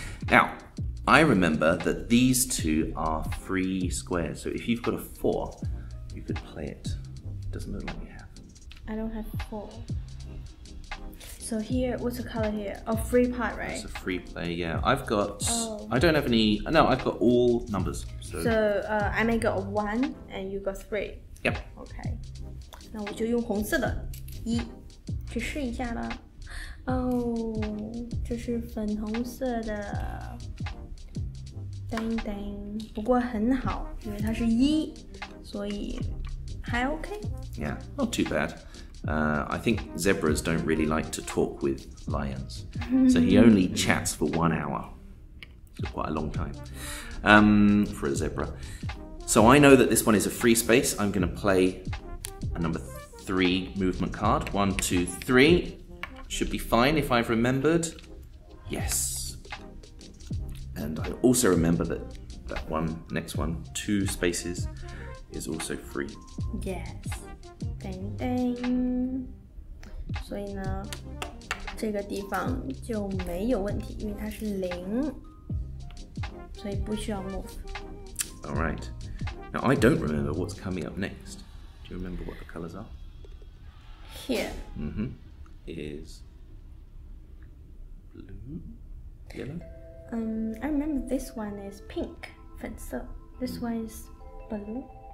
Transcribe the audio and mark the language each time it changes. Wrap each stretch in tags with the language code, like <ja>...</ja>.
<en>now I remember that these two are three squares so if you've got a four you could play it doesn't look like you have I don't have four So here, what's the color here? A free part, right? It's a free play, yeah. I've got...、Oh. I don't have any... No, I've got all numbers. So, I may got a one, and you got three. Yep. Okay.</en> <zh>那我就用红色的一去试一下啦。 Oh, 这是粉红色的。叮叮。不过很好,因为它是一,所以还 okay?</zh> <en>Yeah, not too bad. I think zebras don't really like to talk with lions. So he only chats for 1 hour. quite a long time, for a zebra. So I know that this one is a free space. I'm going to play a number three movement card. One, two, three. Should be fine if I've remembered. Yes. And I also remember that that one, next one, two spaces, is also free. Yes. Ding, ding.</en> <zh>所以呢，这个地方就没有问题，因为它是零，所以不需要</zh> <en>move. All right. Now, I don't remember what's coming up next. Do you remember what the colors are? Here. Mm-hmm. Is blue, yellow? I remember this one is pink,</en> <zh>粉色.</zh> <en>This one is blue.</en>